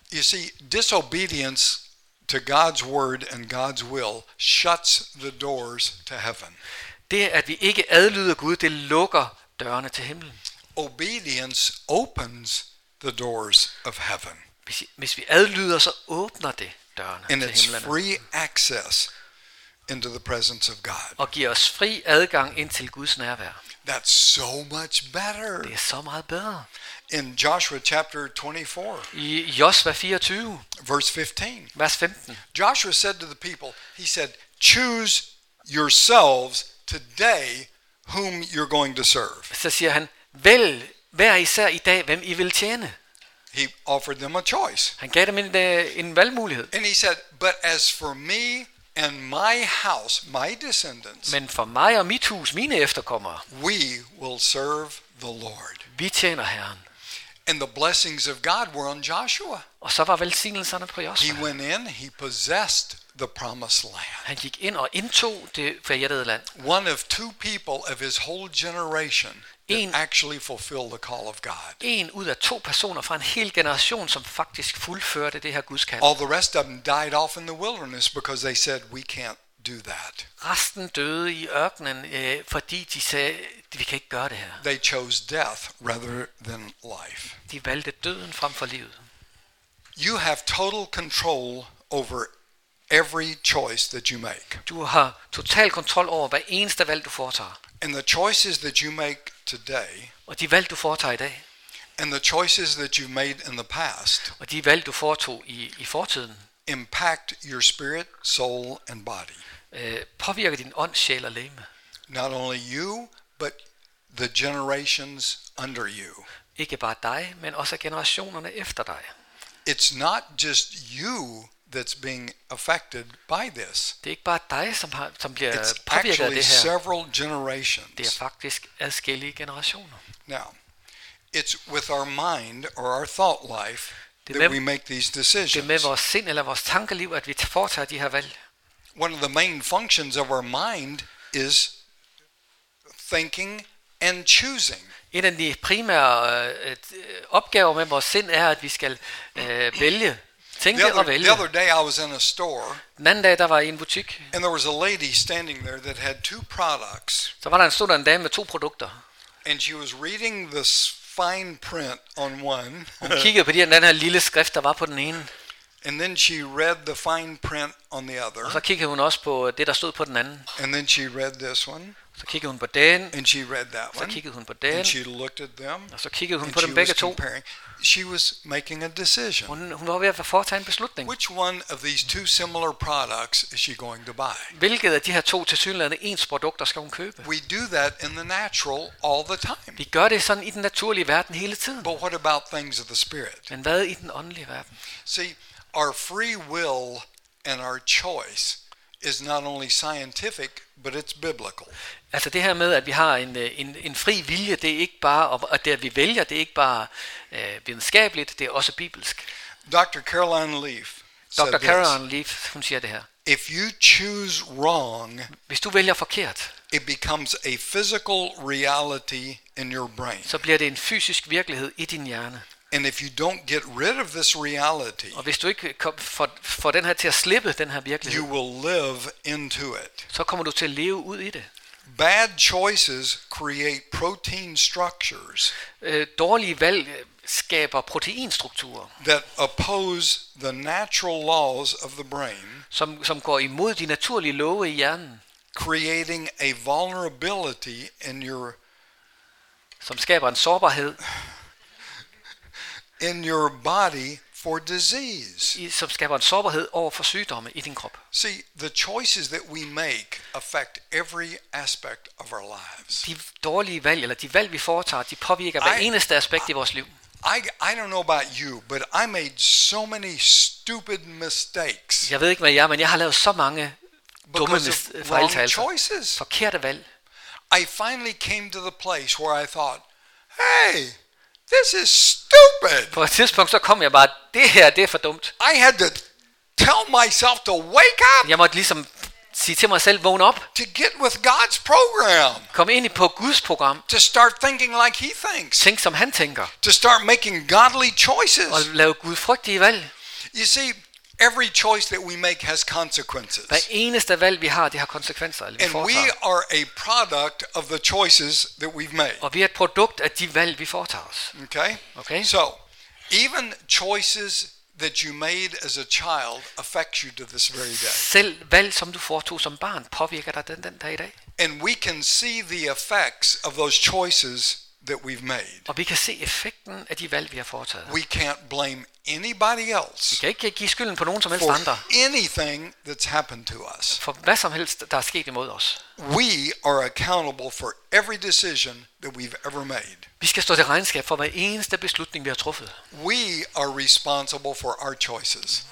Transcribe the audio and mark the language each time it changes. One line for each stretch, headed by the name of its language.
English: You see, disobedience to God's word and God's will shuts the doors to heaven.
Danish: Det at vi ikke adlyder Gud, det lukker dørene til himlen.
English: Obedience opens the doors of heaven.
Danish: Hvis vi adlyder, så åbner det dørene
English: and
Danish: til himlen.
English: And it's free access into the presence of God.
Danish: Og giver os fri adgang ind til Guds nærvær.
English: That's so much better.
Danish: Det er så meget bedre.
English: In Joshua chapter 24.
Danish: I Josua 24.
English: Verse 15.
Danish: Vers 15.
English: Joshua said to the people, he said, choose yourselves today whom you're going to serve.
Danish: Så siger han, vælg hver især i dag, hvem I vil tjene.
English: He offered them a choice.
Danish: Han gav dem en valgmulighed.
English: And he said, but as for me and my house, my descendants.
Danish: Men for mig og mit hus, mine efterkommere.
English: We will serve the Lord.
Danish: Vi tjener Herren.
English: And the blessings of God were on Joshua.
Danish: Og så var velsignelserne på Josua.
English: He went in, he possessed the promised land.
Danish: Han gik ind og indtog det forjættede land.
English: One of two people of his whole generation that actually fulfilled the call of God.
Danish: En ud af to personer fra en hel generation, som faktisk fuldførte det her Guds kald.
English: All the rest of them died off in the wilderness because they said we can't do that.
Danish: Resten døde i ørkenen, fordi de sagde, vi kan ikke gøre det her.
English: They chose death rather than life.
Danish: De valgte døden frem for livet.
English: You have total control over every choice that you make.
Danish: Du har total kontrol over hver eneste valg du foretager.
English: And the choices that you make today.
Danish: Og de valg du foretager i dag.
English: And the choices that you've made in the past.
Danish: Og de valg du foretog i fortiden.
English: Impact your spirit, soul and body.
Danish: Påvirker din ånd, sjæl og legeme.
English: Not only you, but the generations under you.
Danish: Ikke bare dig, men også generationerne efter dig.
English: It's not just you that's being affected by this.
Danish: Det er ikke bare dig, som bliver påvirket af det her.
English: It's several generations.
Danish: Det er faktisk adskillige generationer.
English: Now, it's with our mind or our thought life that we make these decisions.
Danish: Det er med vores sind eller vores tankeliv, at vi foretager de her valg.
English: One of the main functions of our mind is thinking and choosing.
Danish: En af de primære opgaver med vores sind er, at vi skal vælge.
English: The other day I was in a store.
Danish: Den anden dag, der var jeg i en butik.
English: And there was a lady standing there that had two products.
Danish: Så var der en stående dame med to produkter.
English: And she was reading this fine print on one.
Danish: Hun kiggede på den her lille skrift der var på den ene.
English: And then she read the fine print on the other.
Danish: Og så kiggede hun også på det der stod på den anden.
English: And then she read this one.
Danish: Så kiggede hun på den.
English: And she read that one.
Danish: Så kiggede hun på den.
English: And she looked at them.
Danish: Og så kiggede hun på dem begge to.
English: She was making a decision.
Danish: Hun var ved at foretage en beslutning.
English: Which one of these two similar products is she going to buy?
Danish: Hvilket af de her to tilsyneladende ens produkter skal hun købe?
English: We do that in the natural all the time.
Danish: Vi gør det sådan i den naturlige verden hele tiden.
English: But what about things of the spirit?
Danish: Men hvad i den åndelige verden?
English: See, our free will and our choice is not only scientific, but it's biblical.
Danish: Altså det her med at vi har en fri vilje, det er ikke bare at det at vi vælger, det er ikke bare videnskabeligt, det er også bibelsk.
English: Dr. Caroline Leaf.
Danish: Dr. Caroline Leaf, hun siger det her.
English: If you choose wrong,
Danish: hvis du vælger forkert,
English: it becomes a physical reality in your brain.
Danish: Så bliver det en fysisk virkelighed i din hjerne.
English: And if you don't get rid of this reality,
Danish: og hvis du ikke får den her til at slippe den her virkelighed,
English: you will live into it.
Danish: Så kommer du til at leve ud i det.
English: Bad choices create protein structures.
Danish: Dårlige valg skaber proteinstrukturer.
English: That oppose the natural laws of the brain.
Danish: Som går imod de naturlige love i hjernen.
English: Creating a vulnerability in your.
Danish: Som skaber en sårbarhed.
English: In your body for disease.
Danish: Som skaber en sårbarhed over for sygdomme i din krop.
English: See, the choices that we make affect every aspect of our lives.
Danish: De dårlige valg eller de valg vi foretager, de påvirker hver eneste aspekt i vores liv.
English: I don't know about you, but I made so many stupid mistakes.
Danish: Jeg ved ikke med jer, men jeg har lavet så mange dumme fejltagelser. Forkerte valg.
English: I finally came to the place where I thought, hey, this is stupid.
Danish: På et tidspunkt så kom jeg bare, det her, det er for dumt.
English: I had to tell myself to wake up.
Danish: Jeg måtte ligesom sige til mig selv, vågn op.
English: To get with God's program.
Danish: Kom ind på Guds program.
English: To start thinking like He thinks.
Danish: Tænk som Han tænker.
English: To start making godly choices.
Danish: Og lave gudfrygtige valg.
English: You see, every choice that we make has consequences.
Danish: Hver eneste valg vi har, det har konsekvenser. Eller vi
English: and we are a product of the choices that we've made.
Danish: Og vi er et produkt af de valg vi foretager os.
English: Okay.
Danish: Okay.
English: So, even choices that you made as a child affect you to this very day.
Danish: Selv valg som du foretog som barn påvirker dig den dag i dag.
English: And we can see the effects of those choices that we've made.
Danish: Og vi kan se effekten af de valg vi har foretaget.
English: We can't blame anybody else.
Danish: Vi kan ikke give skylden på nogen som helst andre.
English: For anything that's happened to us.
Danish: For hvad som helst der er sket imod os.
English: We are accountable for every decision that we've ever made.
Danish: Vi skal stå til regnskab for hver eneste beslutning vi har truffet.
English: We are responsible for our choices.